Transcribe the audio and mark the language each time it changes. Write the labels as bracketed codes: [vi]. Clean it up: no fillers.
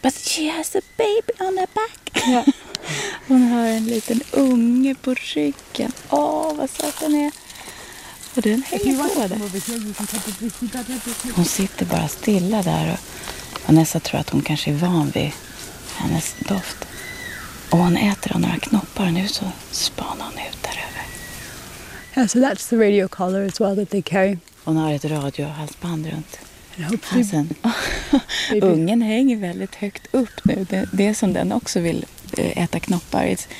[en] But she has a baby on her back. Yeah. [sv] Hon har en liten unge på ryggen. Åh, vad söt den är. Och den hänger på. Hon sitter bara stilla där och Vanessa tror att hon kanske är van vid hennes doft. Och hon äter av några knoppar nu så spanar hon ut där över. [en] Yeah, so that's the radio collar as well that they carry. [sv] Hon har ett radiohalsband runt. Halsen. Ungen hänger väldigt högt upp nu. Det är som den också vill äta knoppar.